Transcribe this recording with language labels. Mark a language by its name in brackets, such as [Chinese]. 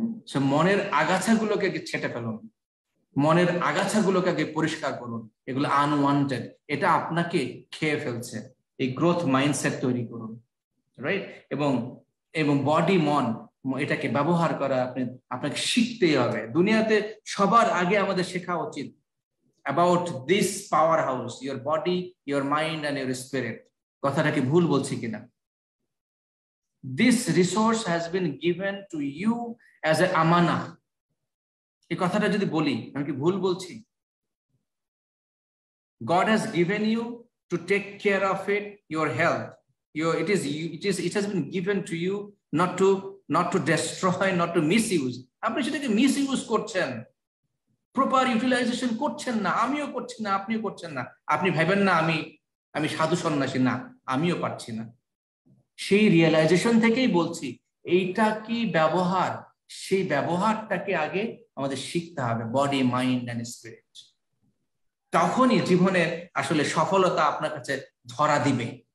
[Bangla] So মনের আগাছাগুলোকে আগে ছেটে ফেলুন, মনের আগাছাগুলোকে আগে পরিষ্কার করুন, এগুলো আনওয়ান্টেড, এটা আপনাকে খেয়ে ফেলছে, এই গ্রোথ মাইন্ডসেট তৈরি করুন, রাইট? এবং এবং বডি মন এটাকে ব্যবহার করা আপনি আপনাকে শিখতেই হবে। দুনিয়াতে সবার আগে আমাদের শেখা উচিত [English] about this powerhouse, your body, your mind and your spirit. [Bangla] কথাটা কি ভুল বলছি কিনা? [English] This resource has been given to you as an amana. [Bangla] এই কথাটা যদি বলি আমি কি ভুল বলছি? [English] God has given you to take care of it, your health, your it has been given to you not to destroy, not to misuse. [Bangla] আপনি সেটাকে মিসইউজ করছেন, প্রপার ইউটিলাইজেশন করছেন না, আমিও করছি না, আপনিও করছেন না। আপনি ভাবেন না আমি আমি সাধু সন্ন্যাসী, না আমিও পারছি না। সেই রিয়েলাইজেশন থেকেই বলছি এইটা কি ব্যবহার, সেই ব্যবহারটাকে আগে আমাদের শিখতে হবে, [English] body mind and spirit, [Bangla] তখনই জীবনের আসলে সফলতা আপনার কাছে ধরা দিবে।